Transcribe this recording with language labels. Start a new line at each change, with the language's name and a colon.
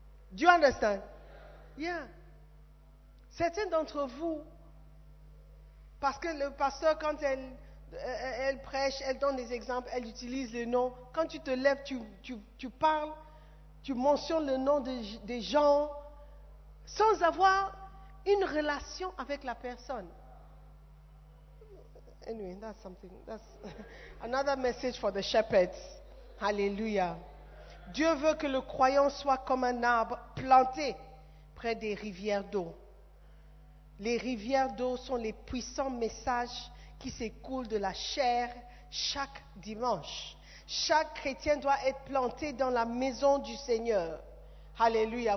English: Do you understand? Yeah.
French: Certains d'entre vous, parce que le pasteur, quand elle prêche, elle donne des exemples, elle utilise les noms. Quand tu te lèves, tu parles, tu mentionnes le nom des gens sans avoir une relation avec la personne.
English: Anyway, that's something. That's another message for the shepherds. Hallelujah.
French: Dieu veut que le croyant soit comme un arbre planté près des rivières d'eau. Les rivières d'eau sont les puissants messages qui s'écoulent de la chair chaque dimanche. Chaque chrétien doit être planté dans la maison du Seigneur. Alléluia.